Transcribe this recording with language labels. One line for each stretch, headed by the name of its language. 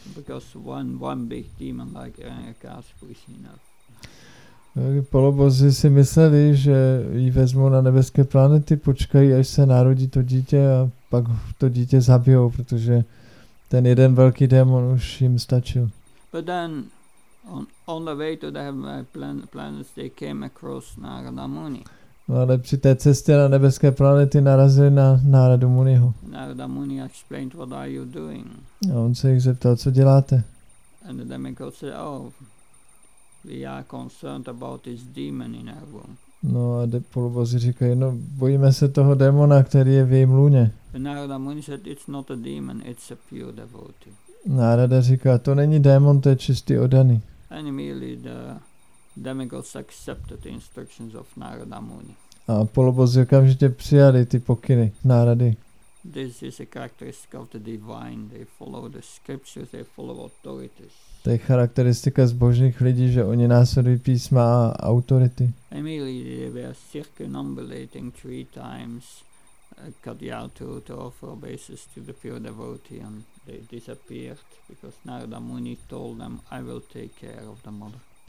English: Because one big demon like Hiranyakasipu is enough.
Czech: Polobozy si mysleli, že ji vezmou na nebeské planety, počkají, až se narodí to dítě a pak to dítě zabijou, protože ten jeden velký démon už jim stačil.
English: But then, on the way to the heavenly planets, they came across Narada Muni.
Czech: No, ale při té cestě na nebeské planety narazili na Narada Muniho.
English: Narada Muni explained, what are you doing?
Czech: A on se jich zeptal, co děláte?
English: And the demigods said, oh, we are concerned about this demon in our womb.
Czech: No a polubozy říkají, no bojíme se toho démona, který je v jejím lůně.
English: Narada Muni said, it's not a demon, it's a pure devotee.
Czech: Narada říká, to není démon, to je čistý oddaný.
English: And immediately the demigods accepted the instructions of Narada Muni.
Czech: A polobozy okamžitě přijali ty pokyny Narady.
English: This is a characteristic of the divine. They follow the scriptures, they follow authorities.
Czech: To je charakteristika zbožných lidí, že oni následují písma a autority.
English: Immediately they were circumambulating three times Kadyatu to offer obeisances to the pure devotee, and they disappeared because Narada Muni told them, I will take care of the mother.